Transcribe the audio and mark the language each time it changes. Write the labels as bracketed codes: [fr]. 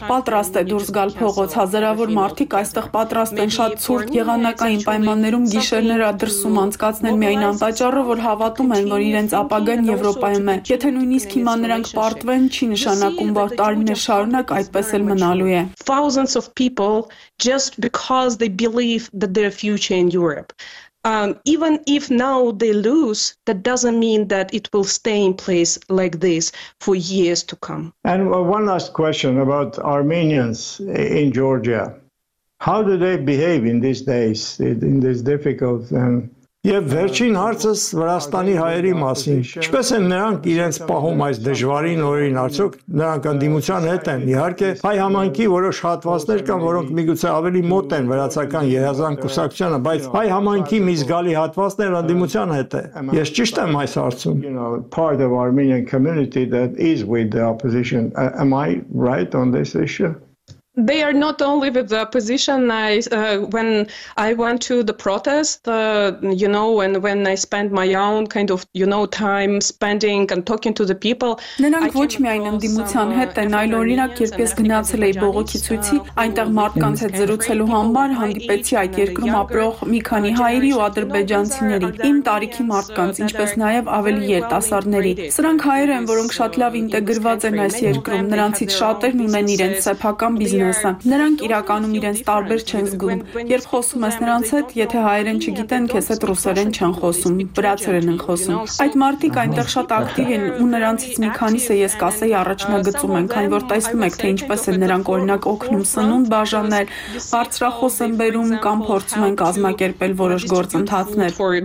[hy] պատրաստ է դուրս գալ փողոց, հազարավոր մարդիկ այստեղ պատրաստ են շատ ցուրտ եղանակային պայմաններում գիշերներ ադրսում անցկացնել միայն անպատճառը, որ հավատում են, որ իրենց ապագան Եվրոպայում է։ Եթե նույնիսկ հիմա նրանք պարտվեն, չի նշանակում, որ տարիներ շարունակ այդպես էլ մնալու է։ [en] Thousands of people just because they believe that their future in Europe. Even if now they lose, that doesn't mean that it will stay in place like this for years to come. And one last question about Armenians in Georgia. How do they behave in these days, in this difficult and... [hy] Եվ վերջին հարցս Վրաստանի հայերի մասին։ Ինչպես են նրանք իրենց պահում այս դժվարին օրերին, արդյոք նրանք անդիմության հետ են։ Իհարկե, հայ համայնքի որոշ հատվածներ կան, որոնք միգուցե ավելի մոտ են վրացական երազանք կուսակցությանը, բայց հայ համայնքի մի զգալի հատվածներ անդիմության հետ է։ Ես ճիշտ եմ այս հարցում։ [en] Part of Armenian community that is with the opposition. Am I right on this issue? They are not only with the opposition. When I went to the protest, when I spent my own kind of, time spending and talking to the people. [hy] Նրանք ոչ միայն անդիմության հետ են, այլ օրինակ, երբ ես գնացել էի բողոքի ցույցի, այնտեղ մարդկանց հետ զրուցելու համար հանդիպեցի այդ երկրում ապրող մի քանի հայերի ու ադրբեջանցիների, իմ տարիքի մարդկանց, ինչպես նաև ավելի երիտասարդների. Սրանք հայեր են, որոնք շատ լավ ինտեգրված են այս երկրում, նրանցից շատերն ունեն իրենց սեփական Նրանք իրականում իրենց տարբեր չեն զգում։ Երբ խոսում ես նրանց հետ, եթե հայերեն չգիտեն, քեզ հետ ռուսերեն չեն խոսում, վրացերեն են խոսում։ Այդ մարդիկ այնտեղ շատ ակտիվ են ու նրանցից մի քանիսը ես կասեի առաջնագծում են, քանի որ տեսնում եք, թե ինչպես են նրանք օրինակ օգնում սնուն բաժաններ, բարձրախոս են բերում կամ փորձում են կազմակերպել որոշ գործընթացներ։